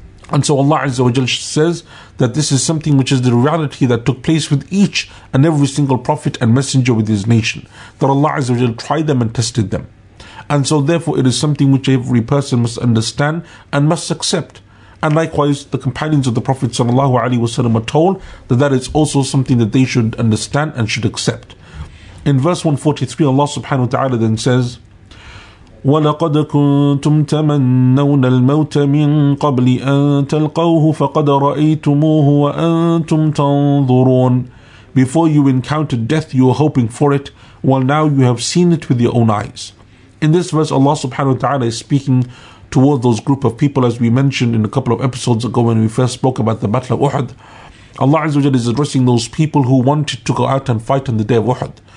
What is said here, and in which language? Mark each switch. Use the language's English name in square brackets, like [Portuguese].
[English] And so Allah Azza wa Jal says that this is something which is the reality that took place with each and every single prophet and messenger with his nation, that Allah Azza wa Jal tried them and tested them. And so therefore it is something which every person must understand and must accept. And likewise, the companions of the Prophet sallallahu alaihi wasallam are told that that is also something that they should understand and should accept. In verse 143, Allah subhanahu wa ta'ala then says, [Arabic] وَلَقَدْ كُنْتُمْ تَمَنَّوْنَ الْمَوْتَ مِنْ قَبْلِ أَن تَلْقَوْهُ فَقَدْ رَأَيْتُمُوهُ وَأَنْتُمْ تَنْظُرُونَ. [English] Before you encountered death, you were hoping for it, while now you have seen it with your own eyes. In this verse, Allah subhanahu wa ta'ala is speaking towards those group of people, as we mentioned in a couple of episodes ago when we first spoke about the Battle of Uhud. Allah Azza wa Jalla is addressing those people who wanted to go out and fight on the day of Uhud.